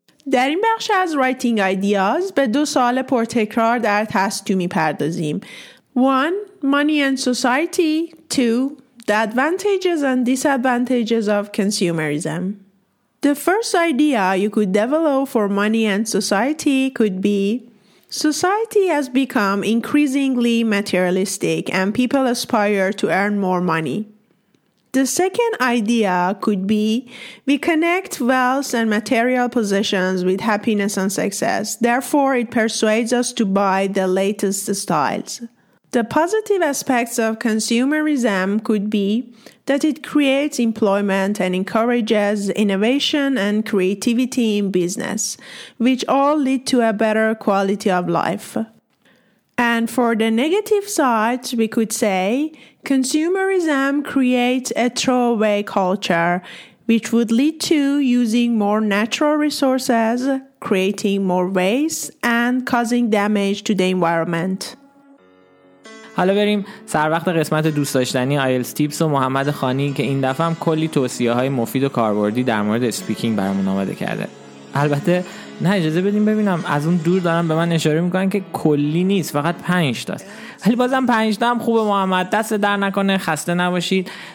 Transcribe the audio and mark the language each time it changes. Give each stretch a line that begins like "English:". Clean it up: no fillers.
Persian: در این بخش از Writing Ideas به دو سوال پرتکرار در تست 2 می‌پردازیم.
English: 1. Money and Society. 2. The Advantages and Disadvantages of Consumerism. The first idea you could develop for money and society could be: society has become increasingly materialistic and people aspire to earn more money. The second idea could be, we connect wealth and material possessions with happiness and success, therefore it persuades us to buy the latest styles. The positive aspects of consumerism could be that it creates employment and encourages innovation and creativity in business, which all lead to a better quality of life. And for the negative side, we could say consumerism creates a throwaway culture, which would lead to using more natural resources, creating more waste, and causing damage to the environment.
Persian: حالا بریم سر وقت قسمت دوست داشتنی آیلتس تیپس و محمد خانی که این دفعه هم کلی توصیه های مفید و کاربردی در مورد سپیکینگ برامون آماده کرده. البته نه اجازه بدیم ببینم، از اون دور دارن به من اشاره میکنن که کلی نیست، فقط 5 تا. ولی بازم 5 تا هم خوبه محمد، دست در نکنه، خسته نباشید.